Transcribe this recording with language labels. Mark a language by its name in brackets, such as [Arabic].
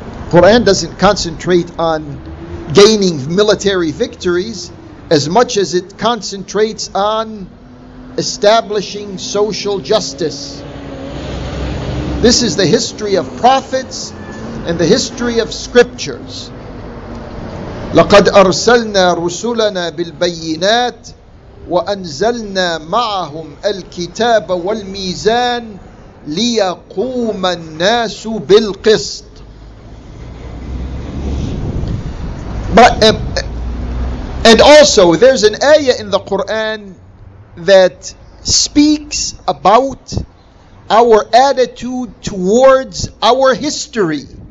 [English] Quran doesn't concentrate on gaining military victories as much as it concentrates on establishing social justice. This is the history of prophets and the history of scriptures. [Arabic] لقد أرسلنا رسلنا بالبينات وأنزلنا معهم الكتاب والميزان ليقوم الناس بالقسط. [English] And also there's an ayah in the Quran that speaks about our attitude towards our history.